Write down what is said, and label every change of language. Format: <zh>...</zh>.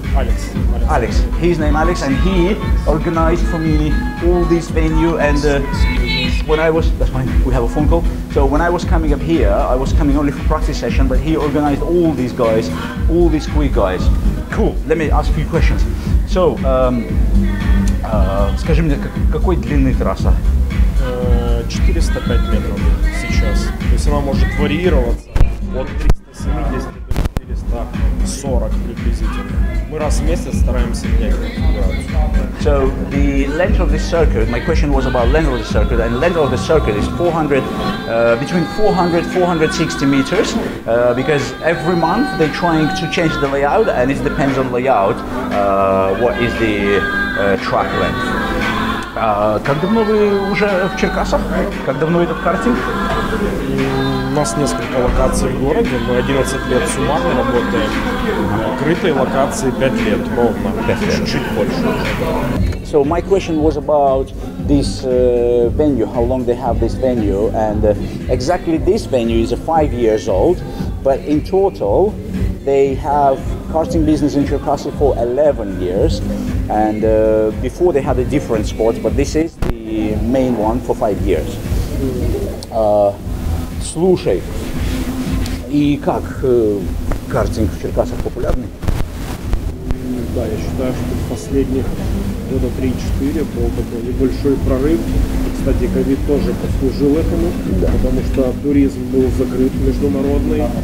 <en>Alex. His name Alex, and he organized for me all this venue. And when I was, that's fine, we have a phone call. So when I was coming up here, I was coming only for practice session, but he organized all these guys, all these queer guys. Cool. Let me ask a few questions.</en> <ru>So, скажи мне, какой длины трасса? 405 метров сейчас. То есть она может варьироваться от 370 до 440 приблизительно. Мы раз в месяц стараемся менять градус.</ru> <en>So, the length of the circuit, my question was about length of the circuit, and length of the circuit is 400, between 400 and 460 meters, because every month they're trying to change the layout, and it depends on layout, what is the track length.</en> <ru>Как давно вы уже в Черкасах? Как давно этот картинг? У нас несколько локаций в городе, мы 11 лет суммарно работаем. Открытые локации 5 лет, ровно. Чуть-чуть больше.</ru> <en>So my question was about this venue, how long they have this venue, and exactly this venue is 5 years old, but in total they have karting business in Cherkasy for 11 years, and before they had a different sport, but this is the main one for 5 years.</en> <ru>Слушай, и как картинг в Черкасах популярный? Да, я считаю, что последних года 3-4 был такой небольшой прорыв. И, кстати, ковид тоже послужил этому, да. Потому что туризм был закрыт международный, да.</ru>